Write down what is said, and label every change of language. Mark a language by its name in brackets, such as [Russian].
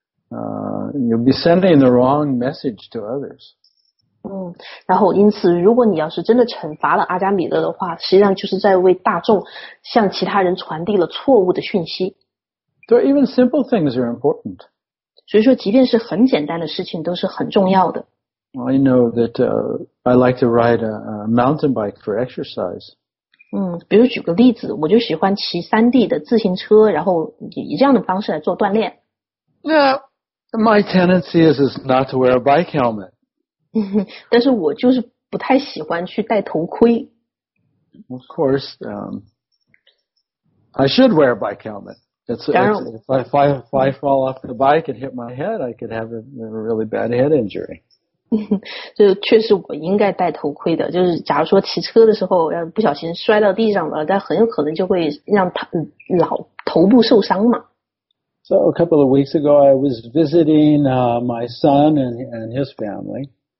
[English] you'll be sending the wrong message to others. [Chinese] 嗯，然后因此，如果你要是真的惩罚了阿加米勒的话，实际上就是在为大众向其他人传递了错误的讯息。 [English] 对 ，even simple things are important. [Chinese] 所以说，即便是很简单的事情，都是很重要的。 [English] I know that I like to ride a mountain bike for exercise. [Chinese] 嗯，比如举个例子，我就喜欢骑山地的自行车，然后以这样的方式来做锻炼。 [English] Yeah, my tendency is not to wear a bike helmet. [Chinese] 但是我就是不太喜欢去戴头盔。 [English] Of course, I should wear a bike helmet. If I fall off the bike and hit my head, I could have a really bad head injury. [Chinese] 就确实我应该戴头盔的，就是假如说骑车的时候要不小心摔到地上了，但很有可能就会让头部受伤嘛。 [English] So a couple of weeks ago, I was visiting my son and his family.